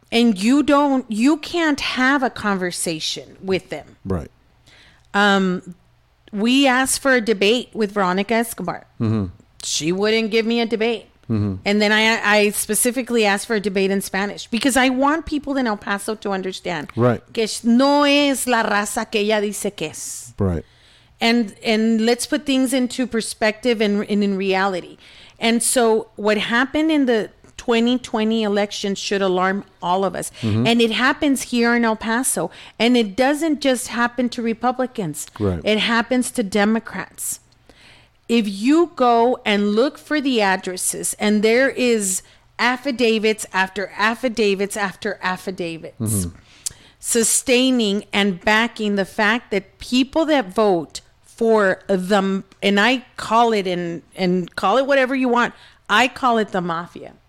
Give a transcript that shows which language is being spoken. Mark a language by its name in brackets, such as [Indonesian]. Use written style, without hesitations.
[English] And you can't have a conversation with them. Right. We asked for a debate with Veronica Escobar. She wouldn't give me a debate. And then I specifically asked for a debate in Spanish because I want people in El Paso to understand. Right. [Spanish] Que no es la raza que ella dice que es. [English] Right. And let's put things into perspective and in reality. And so what happened in the 2020 election should alarm all of us. And it happens here in El Paso. And it doesn't just happen to Republicans. Right. It happens to Democrats. If you go and look for the addresses, and there is affidavits after affidavits after affidavits, sustaining and backing the fact that people that vote for them, and I call it, and call it whatever you want, I call it the mafia.